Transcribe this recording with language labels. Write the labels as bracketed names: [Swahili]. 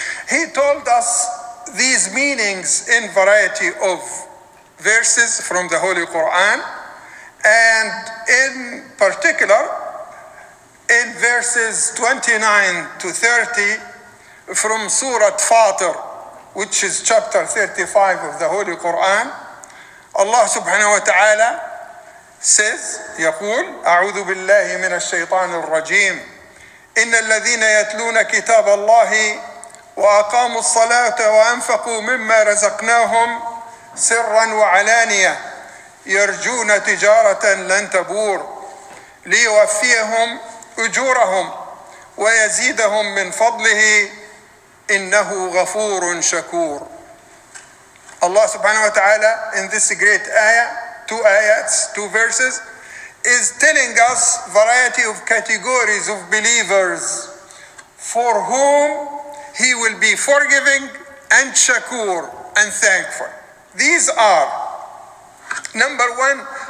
[English] He told us these meanings in variety of verses from the Holy Quran, and in particular in verses 29 to 30 from Surah Fatir, which is chapter 35 of the Holy Quran. [Arabic] الله سبحانه وتعالى [English] says, [Arabic] يقول أعوذ بالله من الشيطان الرجيم إن الذين يتلون كتاب الله وأقاموا الصلاة وأنفقوا مما رزقناهم سرا وعلانية يرجون تجارة لن تبور ليوفيهم أجورهم ويزيدهم من فضله إنه غفور شكور. [English] Allah subhanahu wa ta'ala in this great ayah, two verses, is telling us variety of categories of believers for whom he will be forgiving and shakur and thankful. These are, number one,